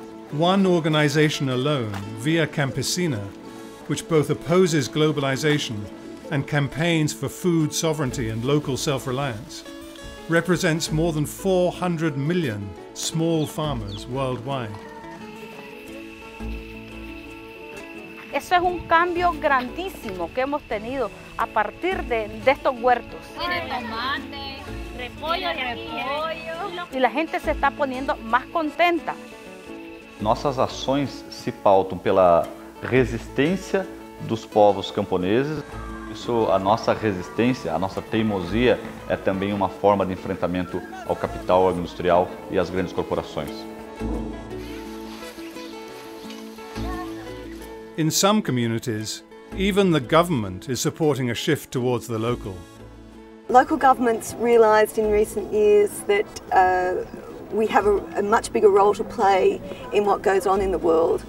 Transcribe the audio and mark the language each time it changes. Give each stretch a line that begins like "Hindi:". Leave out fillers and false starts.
English: One organization alone, Via Campesina, which both opposes globalization and campaigns for food sovereignty and local self-reliance, represents more than 400 million small farmers worldwide.
Spanish: Eso es un cambio grandísimo que hemos tenido a partir de estos huertos. Tiene tomate, repollo, y la gente se está poniendo más contenta.
Portuguese: Nossas ações se pautam pela resistência dos povos camponeses. Isso, a nossa resistência, a nossa teimosia, é também uma forma de enfrentamento ao capital industrial e às grandes corporações.
English: In some communities, even the government is supporting a shift towards the local. Local governments realized in recent years that we have a much bigger role to play in what goes on in the world.